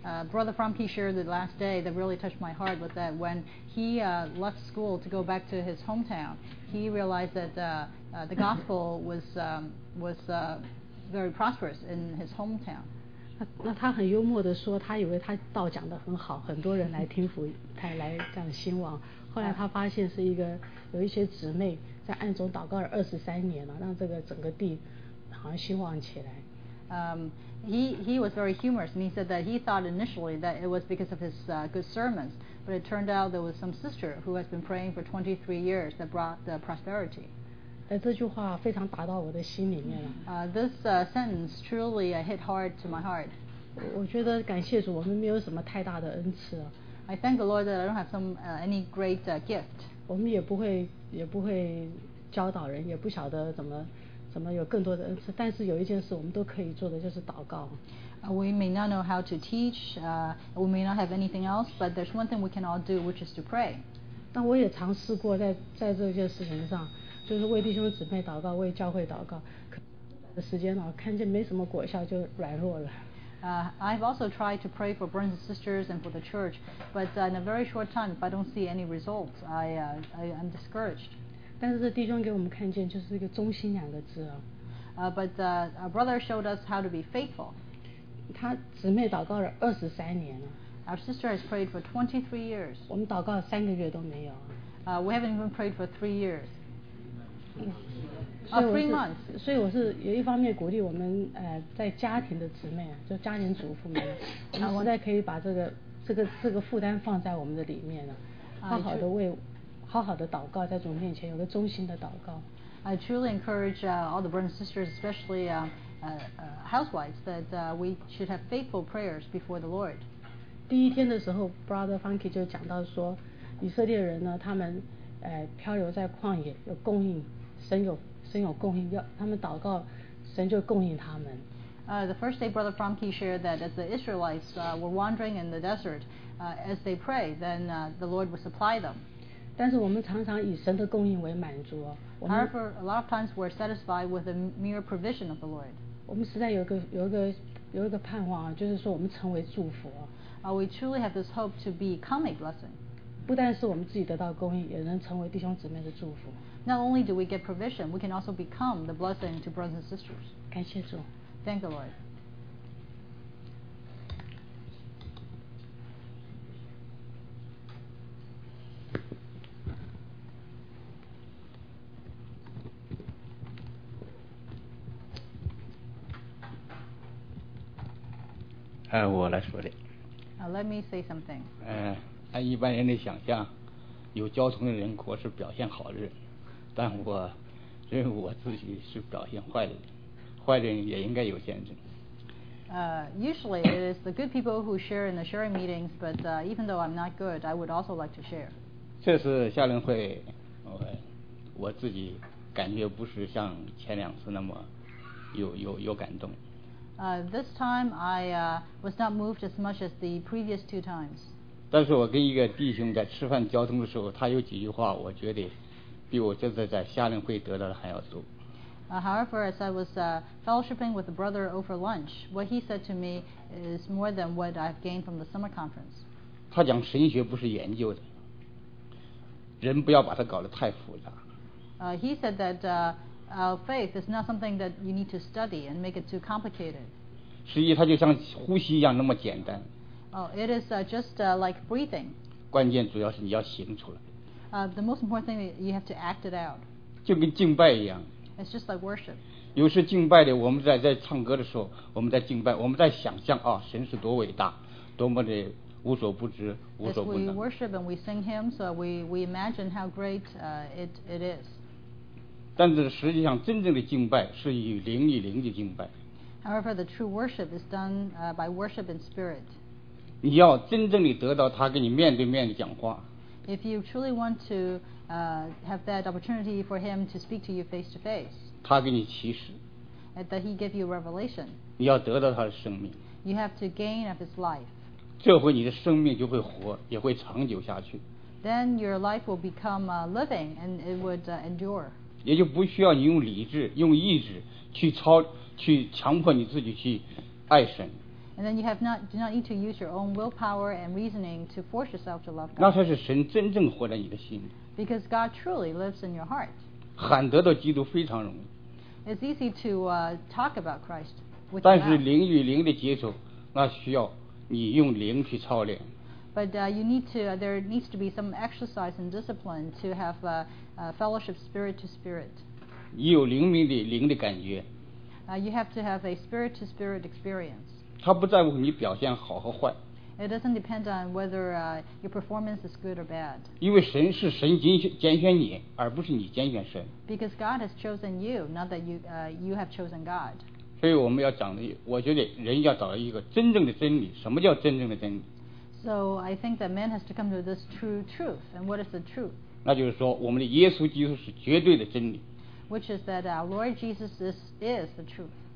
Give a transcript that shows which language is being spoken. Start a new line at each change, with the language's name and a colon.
English: Brother Frumpy shared the last day that really touched my heart was that when he left school to go back to his hometown, he realized that the gospel was very prosperous in his hometown.
Chinese: 那他很幽默地说，他以为他道讲得很好，很多人来听福音，他来这样兴旺。后来他发现是一个有一些姊妹在暗中祷告了23年了，让这个整个地好像兴旺起来。
English: He was very humorous, and he said that he thought initially that it was because of his good sermons, but it turned out there was some sister who has been praying for 23 years that brought the prosperity.
Chinese: 这句话非常打到我的心里面了。
English: This sentence truly hit hard to my heart.
Chinese: 我觉得感谢主，我们没有什么太大的恩赐。
English: I thank the Lord that I don't have any great gift.
Chinese: 我们也不会教导人，也不晓得怎么有更多的恩赐。但是有一件事我们都可以做的，就是祷告。
English: We may not know how to teach. We may not have anything else, but there's one thing we can all do, which is to pray.
Chinese: 但我也尝试过在这件事情上。就是为弟兄姊妹祷告，为教会祷告，可的时间了，看见没什么果效，就软弱了。
English: I've also tried to pray for brothers and sisters and for the church, but in a very short time, if I don't see any results, I'm discouraged.
Chinese: 但是弟兄给我们看见，就是一个忠心两个字啊。
English: Our brother showed us how to be faithful.
Chinese: 他姊妹祷告了23年了。
English: Our sister has prayed for 23 years.
Chinese: 我们祷告了3个月都没有。
English: We haven't even prayed for 3 years. 3 months.
Chinese: 所以我是有一方面鼓励我们在家庭的姊妹，就家庭主妇们，我们再可以把这个负担放在我们的里面了，好好的为好好的祷告，在主面前有个忠心的祷告。
English: I truly encourage all the brothers and sisters, especially housewives, that we should have faithful prayers before the Lord.
Chinese: 第一天的时候 ，Brother Funky 就讲到说，以色列人呢，他们漂流在旷野，有供应。神有供应，要他们祷告，神就供应他们。
English: The first day, Brother Frumpy shared that as the Israelites were wandering in the desert, as they pray, then the Lord would supply them.
Chinese: 但是我们常常以神的供应为满足。
English: However, a lot of times we're satisfied with the mere provision of the Lord.
Chinese: 我们实在有一个盼望，就是说我们成为祝福。
English: we truly have this hope to become a blessing.
Chinese: 不但是我们自己得到供应，也能成为弟兄姊妹的祝福。
English: Not only do we get provision, we can also become the blessing to brothers and sisters.
Chinese: 感谢主。
English: Thank the Lord. Let me say something.
Chinese: 按一般人的想象，有交通的人或是表现好的人，但我认为我自己是表现坏的人，坏人也应该有见证。
English: Usually it is the good people who share in the sharing meetings, but even though I'm not good, I would also like to share.
Chinese: 这次夏令会，我自己感觉不是像前两次那么有感动。
English: This time I was not moved as much as the previous two times.
Chinese: 但是我跟一个弟兄在吃饭交通的时候，他有几句话，我觉得比我这次在夏令会得到的还要多。
English: However, as I was fellowshipping with a brother over lunch, what he said to me is more than what I've gained from the summer conference.
Chinese: 他讲神学不是研究的，人不要把它搞得太复杂。
English: He said that. Our faith is not something that you need to study and make it too complicated.
Chinese: 实际它就像呼吸一样那么简单。
English: It is just like breathing.
Chinese: 关键主要是你要行出来。
English: The most important thing is you have to act it out.
Chinese: 就跟敬拜一样。
English: It's just like worship.
Chinese: 有时敬拜的，我们在唱歌的时候，我们在敬拜，我们在想象啊，神是多伟大，多么的无所不知，无所不能。
English: As we worship and we sing hymns, we imagine how great it is.
Chinese: 但是实际上真正的敬拜是与灵与灵的敬拜。
English: However, the true worship is done by worship in spirit.
Chinese: 你要真正的得到他跟你面对面的讲话。
English: If you truly want to have that opportunity for him to speak to you face to face.
Chinese: 他给你启示。
English: That he give you revelation.
Chinese: 你要得到他的生命。
English: You have to gain of his life.
Chinese: 这回你的生命就会活，也会长久下去。
English: Then your life will become living and it would endure.
Chinese: 也就不需要你用理智用意志去强迫你自己去爱神。
English: And then you have not, do not need to use your own willpower and reasoning to force yourself to love God.
Chinese: 那才是神真正活在你的心。
English: Because God truly lives in your heart.
Chinese: 喊得到基督非常容易。
English: It's easy to talk about Christ.
Chinese: 但是灵与灵的接触，那需要你用灵去操练。
English: But you need to, there needs to be some exercise and discipline to have a fellowship spirit to spirit.
Chinese: 你有灵命的灵的感觉。
English: You have to have a spirit to spirit experience.
Chinese: 它不在乎你表现好和坏。
English: It doesn't depend on whether your performance is good or bad.
Chinese: 因为神是神拣选你，而不是你拣选神。
English: Because God has chosen you, not that you, you have chosen God.
Chinese: 所以我们要讲的，我觉得人要找一个真正的真理。什么叫真正的真理？
English: So I think that man has to come to this true truth. And what is the truth?
Chinese: 那就是说我们的耶稣基督是绝对的真理。
English: Which is that our Lord Jesus is the truth.